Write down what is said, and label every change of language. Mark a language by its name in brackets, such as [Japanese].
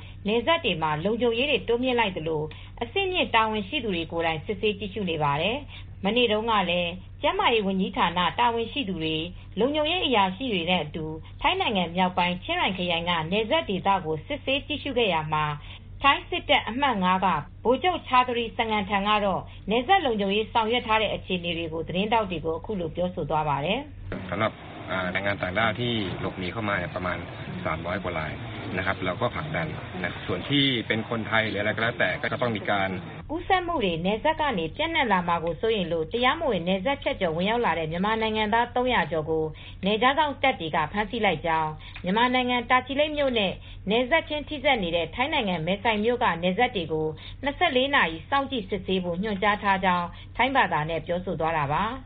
[Burmese] နယ်စပ်တွေမှာလုံခြုံရေးတွေတိုးမြင့်လိုက်သလိုအစ်စ်မြင့်တာဝန်ရှိသူတွေကိုယ်တိုင်စစ်ဆေးကြည့်ရှုနေပါတယ်။မနေ့တုန်းကလည်းကျမရေးဝန်ကြီးဌာနတာဝန်ရှိသူတွေလုံခြုံရေးအရာရှိတွေနဲ့အတူထိုင်းနိုင်ငံမြောက်ပိုင်းချင်းရိုင်ခရိုင်ကနေဆက်ဒေသကိုစစ်ဆေးကြည့်ရှုခဲ့ရမှာထိုင်းစစ်တပ်အမှတ်၅ကဗိုလ်ချုပ်ချာသူရီစံကန်ထံကတော့နေဆက်လုံခြုံရေးဆောင်ရွက်ထားတဲ့အခြေအနေတွေကိုသတင်းတောက်တွေကိုအခုလိုပြောဆိုသွားပါတယ် [Thai] ဆလပ်နိုင်ငံต่างด้าวที่หลบหนีเข้ามาเนี่ยประมาณ300กว่ารายนะครับแล้วก็ผักดันนะส่วนที่เป็นคนไทยหรืออะไรก็แล้วแต่ก็จะต้องมีการ [Burmese] ကူးစက်မှုတွေနေဆက်ကနေပြန့်နှံ့လာမှာကိုဆိုရင်လို့တရားမဝင်နေဆက်ဖြတ်ကျော်ဝင်ရောက်လာတဲ့မြန်မာနိုင်ငံသား300ကျော်ကိုနေကြောင်တပ်တွေကဖမ်းဆီးလိုက်ကြောင်းမြန်မာနိုင်ငံတာချီလိမျိုးနဲ့နေဆက်ချင်းထိစပ်နေတဲ့ထိုင်းနိုင်ငံမဲဆိုင်မျိုးကနေဆက်တွေကို24နာရီစောင့်ကြည့်စစ်ဆေးဖို့ညွှန်ကြားထားကြောင်းထိုင်းဘာသာနဲ့ပြောဆိုသွားတာပါ